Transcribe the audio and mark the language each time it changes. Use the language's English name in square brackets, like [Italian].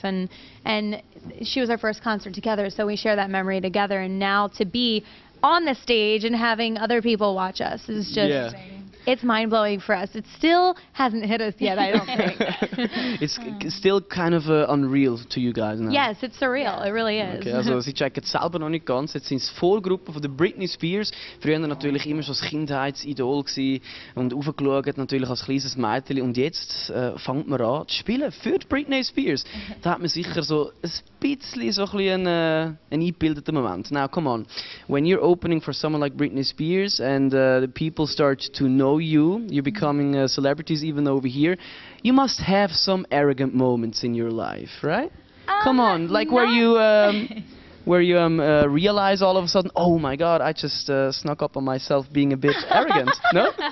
[English] And she was our first concert together, so we share that memory together. And now to be on the stage and having other people watch us is just... Yeah. It's mind-blowing for us. It still hasn't hit us yet, I don't think. It's still kind of unreal to you guys now. Yes, it's surreal. Yeah. It really is. [German] Okay, also sie checken es selber noch nicht ganz. Jetzt sind es Vorgruppen von der Britney Spears. Früher natürlich immer schon als Kindheitsidol gewesen und aufgeschaut natürlich als kleines Mädchen. Und jetzt fängt man an zu spielen für die Britney Spears. Da hat man sicher so ein bisschen so ein eingebildeter Moment. [English] Now, come on. When you're opening for someone like Britney Spears and the people start to know you're becoming celebrities even over here, you must have some arrogant moments in your life, right? Come on, like where you realize all of a sudden, oh my god, I just snuck up on myself being a bit arrogant. No?